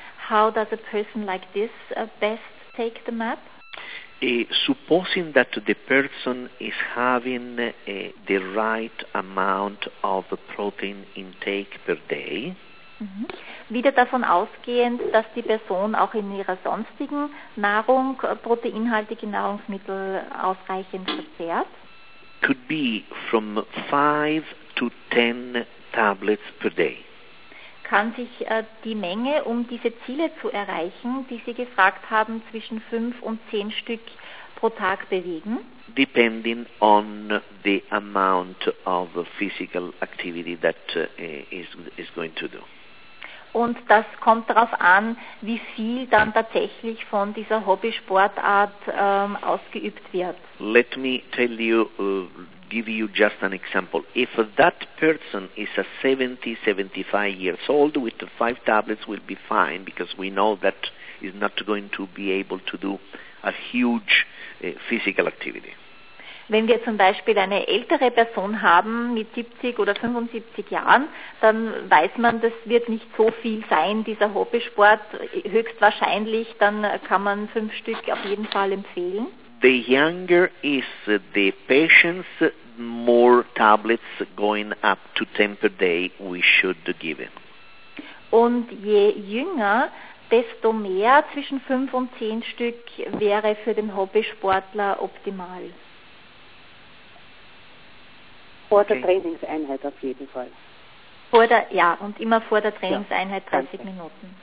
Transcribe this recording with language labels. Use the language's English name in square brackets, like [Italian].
[English] How does a person like this best take the map? Supposing that the person is having the right amount of protein intake per day. Mm-hmm. [German] Wieder davon ausgehend, dass die Person auch in ihrer sonstigen Nahrung proteinhaltige Nahrungsmittel ausreichend verzehrt. [English] Could be from 5 to 10 tablets per day. [German] Kann sich die Menge, um diese Ziele zu erreichen, die Sie gefragt haben, zwischen 5 und 10 Stück pro Tag bewegen? [English] Depending on the amount of physical activity that is going to do. [German] Und das kommt darauf an, wie viel dann tatsächlich von dieser Hobbysportart ausgeübt wird. [English] Let me tell you, give you just an example. If that person is a 70, 75 years old, with 5 tablets will be fine, because we know that is not going to be able to do a huge physical activity. [German] Wenn wir zum Beispiel eine ältere Person haben mit 70 oder 75 Jahren, dann weiß man, das wird nicht so viel sein, dieser Hobbysport, höchstwahrscheinlich, dann kann man 5 Stück auf jeden Fall empfehlen. [English] The younger is the patients, more tablets going up to 10 per day we should give him. [German] Und je jünger, desto mehr, zwischen 5 und 10 Stück wäre für den Hobbysportler optimal. Vor der Trainingseinheit auf jeden Fall. Vor der, ja, und immer vor der Trainingseinheit 30 Minuten.